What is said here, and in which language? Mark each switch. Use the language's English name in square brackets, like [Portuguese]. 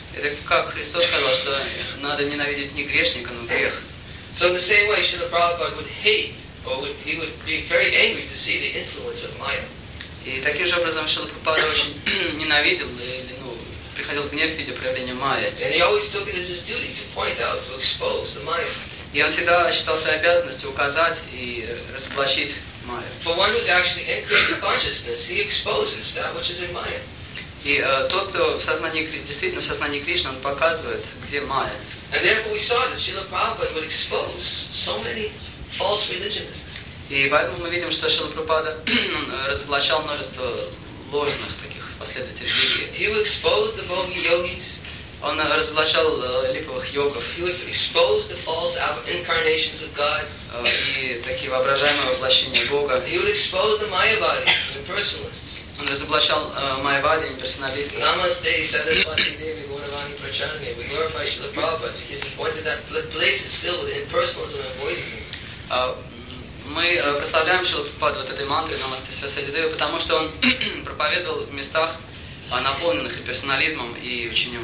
[Russian] Это как Христос сказал, что надо ненавидеть не грешника, но грех. [English] So in the same way, Srila Prabhupada would hate, or he would be very angry to see the influence of Maya. [Russian] И таким же образом Шрила Прабхупада очень ненавидел или ну, приходил гнев в виде проявления майя. [English] And he always took it as his duty to point out, to expose the майя. [Russian] И он всегда считал своей обязанностью указать и разоблачить майя. [English] For one who's actually in Krishna consciousness, he exposes that which is in майя. [Russian] И тот, кто в сознании, действительно в сознании Кришны, он показывает, где майя. [English] And therefore we saw that Srila Prabhupada would expose so many false religionists. [Russian] И поэтому мы видим, что Шрила Прабхупада разоблачал множество ложных таких последователей религии. [English] He would expose the bogey yogis. [Russian] Он разоблачал липовых йогов. [English] He would expose the false incarnations of God. [Russian] И такие воображаемые воплощения Бога. [English] He would expose the mayavadis, the impersonalists. [Russian] Он разоблачал майявади, имперсоналистов. [Sanskrit] Namaste, Saraswati Devi, Gauravani Prachandi. [English] We glorify Shrila Prabhupada. He has appointed that place is filled with impersonalism and voidism. [Russian] Мы прославляем Шрилу Прабхупаду вот этой мантрой «Намасте Сарасвати Деви», потому что он проповедовал в местах, наполненных и персонализмом, и учением